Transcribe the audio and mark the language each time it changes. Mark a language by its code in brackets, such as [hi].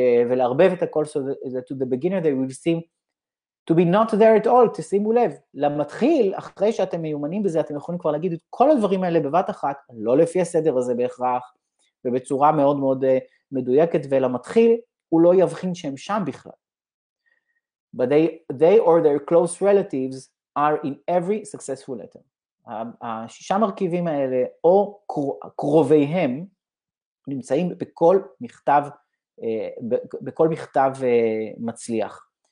[he] ולערבב את הכל, [en] so that to the beginner they will seem to be not there at all, תשימו [he] לב, למתחיל, אחרי שאתם מיומנים בזה, אתם יכולים כבר להגיד את כל הדברים האלה בבת אחת, לא לפי הסדר הזה בהכרח, ובצורה מאוד מאוד מדויקת, ולמתחיל, הוא לא יבחין שהם שם בכלל. [en] But they or their close relatives are in every successful letter. [he] השישה מרכיבים האלה, או קרוביהם, נמצאים בכל מכתב, בכל מכתב מצליח.